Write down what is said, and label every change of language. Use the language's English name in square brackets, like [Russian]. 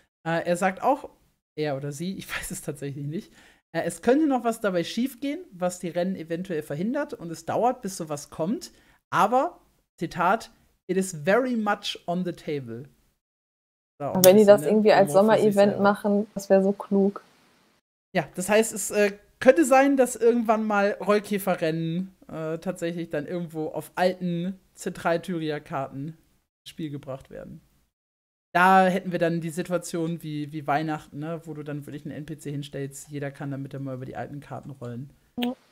[German] Er sagt auch, er oder sie, ich weiß es tatsächlich nicht, es könnte noch was dabei schiefgehen, was die Rennen eventuell verhindert und es dauert, bis sowas kommt. Aber, Zitat, [English] it is very much on the table. [German] So, wenn die das irgendwie als Sommer-Event machen, das wäre so klug. Ja, das heißt, es könnte sein, dass irgendwann mal Rollkäferrennen tatsächlich dann irgendwo auf alten Zentral-Thyria-Karten ins Spiel gebracht werden. Da hätten wir dann die Situation wie Weihnachten, ne, wo du dann wirklich einen NPC hinstellst, jeder kann damit dann mal über die alten Karten rollen. Ja.